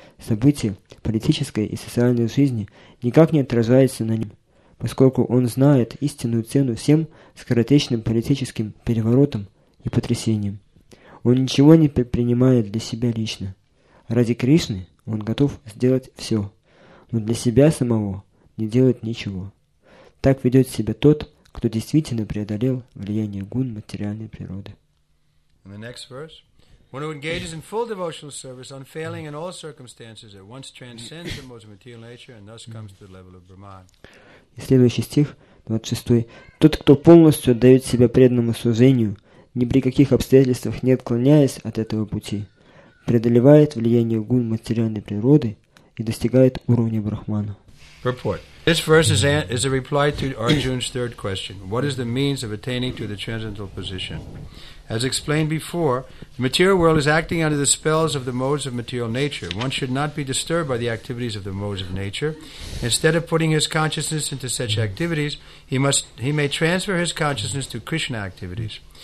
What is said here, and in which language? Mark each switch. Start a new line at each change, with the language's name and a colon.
Russian: События политической и социальной жизни никак не отражаются на нем, поскольку он знает истинную цену всем скоротечным политическим переворотам и потрясениям. Он ничего не предпринимает для себя лично. Ради Кришны он готов сделать все, но для себя самого не делает ничего. Так ведет себя тот, кто действительно преодолел влияние гун материальной природы.
English: In the next verse, one who engages in full devotional service, unfailing in all circumstances, at once transcends the most material nature and thus comes to the level of Brahman.
Russian: И следующий стих, 26. Тот, кто полностью отдает себя преданному служению, ни при каких обстоятельствах не отклоняясь от этого пути, преодолевает влияние гун материальной природы и достигает уровня Брахмана.
English: Purport. This verse is a reply to Arjuna's third question. What is the means of attaining to the transcendental position? As explained before, the material world is acting under the spells of the modes of material nature. One should not be disturbed by the activities of the modes of nature. Instead of putting his consciousness into such activities, he may transfer his consciousness to Krishna activities.